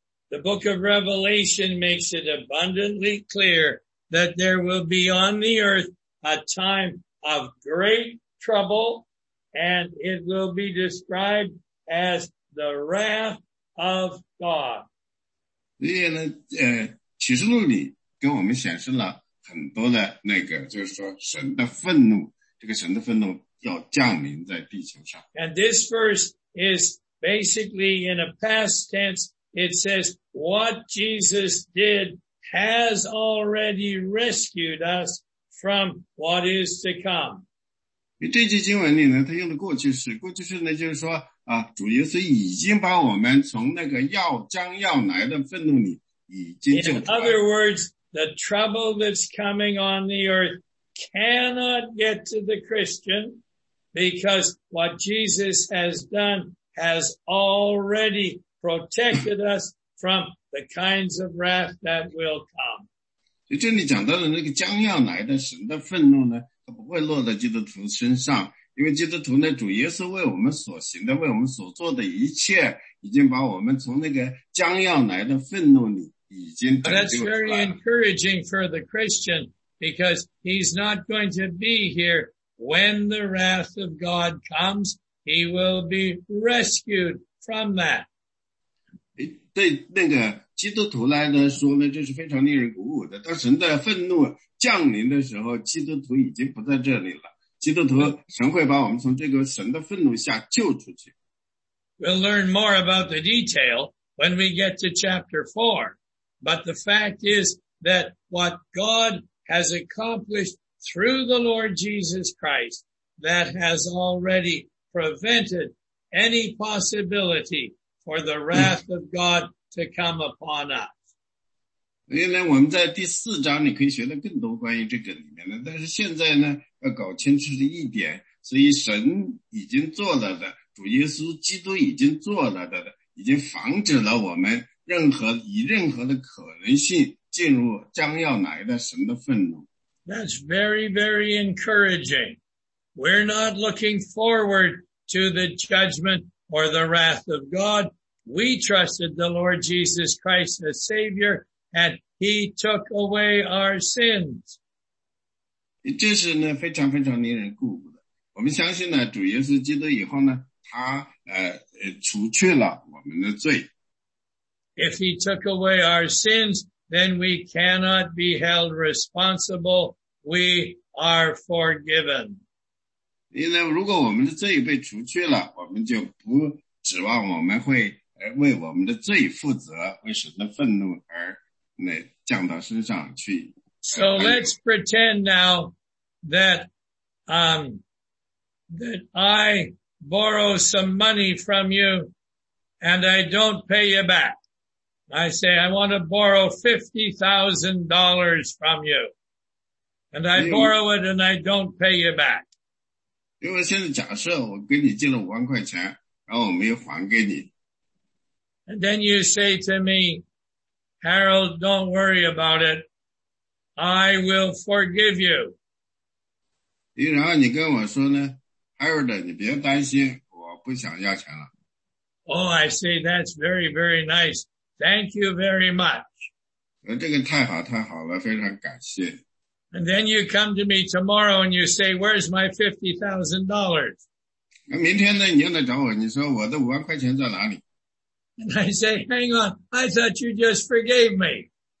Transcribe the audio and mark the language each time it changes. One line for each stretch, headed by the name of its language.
English: The book of Revelation makes it abundantly clear that there will be on the earth a time of great trouble. And it will be described as the wrath of God.
Chinese: 所以呢，启示录里给我们显示了很多的那个，就是说神的愤怒，这个神的愤怒要降临在地球上。
English: And this verse is basically in a past tense. It says what Jesus did has already rescued us from what is to come.
Chinese: 这句经文里呢，他用的过去式，过去式呢就是说啊，主耶稣已经把我们从那个要将要来的愤怒里已经救出来。
English: In other words, the trouble that's coming on the earth cannot get to the Christian because what Jesus has done has already protected us from the kinds of wrath that will come.
Chinese: 就这里讲到的那个将要来的神的愤怒呢，不会落在基督徒身上，因为基督徒呢，主耶稣为我们所行的，为我们所做的一切，已经把我们从那个将要来的愤怒里已经拯救出来了。
English: That's very encouraging for the Christian because he's not going to be here when the wrath of God comes. He will be rescued from that.
Chinese: 对那个基督徒来说呢，这是非常令人鼓舞的。当神的愤怒降临的时候，基督徒已经不在这里了。基督徒，神会把我们从这个神的愤怒下救出去。
English: We'll learn more about the detail when we get to chapter 4. But the fact is that what God has accomplished through the Lord Jesus Christ, that has already prevented any possibility for the wrath of God to come upon us.
Chinese: 因为我们在第四章你可以学的更多关于这个里面的，但是现在呢要搞清楚的一点，所以神已经做了的，主耶稣基督已经做了的，已经防止了我们任何以任何的可能性进入将要来的神的愤怒。
English: That's very, very encouraging. We're not looking forward to the judgment or the wrath of God. We trusted the Lord Jesus Christ as Savior. And he took away our sins.
Chinese: 这是呢非常非常令人鼓舞的。我们相信呢主耶稣基督以后呢，他除去了我们的罪。
English: If he took away our sins, then we cannot be held responsible. We are forgiven.
Chinese: 因为如果我们的罪被除去了，我们就不指望我们会为我们的罪负责，为神的愤怒而。降到身上去。
English: So let's pretend now that I borrow some money from you and I don't pay you back. I say, I want to borrow $50,000 from you. And I borrow it and I don't pay you back.
Chinese: 因为现在假设我给你借了5万块钱，然后我没有还给你。
English: And then you say to me, Harold, don't worry about it. I will forgive you.
Chinese: 然后你跟我说呢, Harold, 你别担心, 我不想要钱了。
English: Oh, I say, that's very, very nice. Thank you very much.
Chinese: 这个太好, 太好了, 非常感谢。
English: And then you come to me tomorrow and you say, where's my $50,000?
Chinese: 明天呢,你又来找我, 你说我的5万块钱在哪里?
English: And I say, hang on, I thought you just forgave me.